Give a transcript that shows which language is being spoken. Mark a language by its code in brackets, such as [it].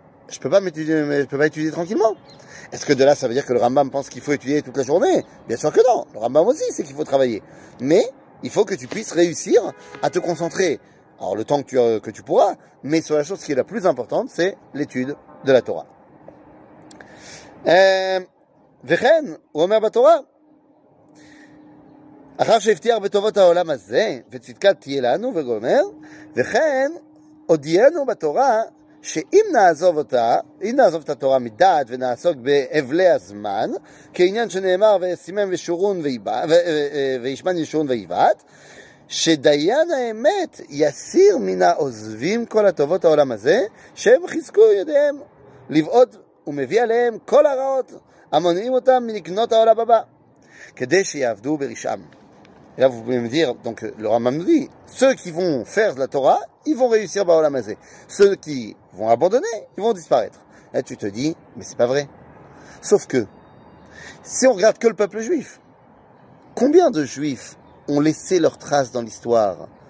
[fr] Je peux pas m'étudier, je peux pas étudier tranquillement. Est-ce que de là, ça veut dire que le Rambam pense qu'il faut étudier toute la journée? Bien sûr que non. Le Rambam aussi, c'est qu'il faut travailler. Mais il faut que tu puisses réussir à te concentrer, alors le temps que tu pourras, mais sur la chose qui est la plus importante, c'est l'étude de la Torah. [he] וכן, הוא אומר בתורה, אחר שהבטיח בטובות העולם הזה, וצדקת תהיה לנו, וגומר, וכן, הודיענו בתורה, שאם נעזוב אותה, אם נעזוב את התורה מדעת, ונעסוק באבלי הזמן, כעניין שנאמר, וסימן ושורון וישמן ישורון ויבט, שדיין האמת יסיר מן העוזבים כל הטובות העולם הזה, שהם חזקו ידיהם לבעוד ומביא עליהם כל הרעות, המונעים אותם מלקנות העולם הבא, כדי שיעבדו ברשעם. [fr] Et là, vous pouvez me dire, donc le Rambam nous dit, ceux qui vont faire la Torah, ils vont réussir ba olam hazeh. Ceux qui vont abandonner, ils vont disparaître. Là, tu te dis, mais c'est pas vrai. Sauf que, si on regarde que le peuple juif, combien de juifs ont laissé leurs traces dans l'histoire?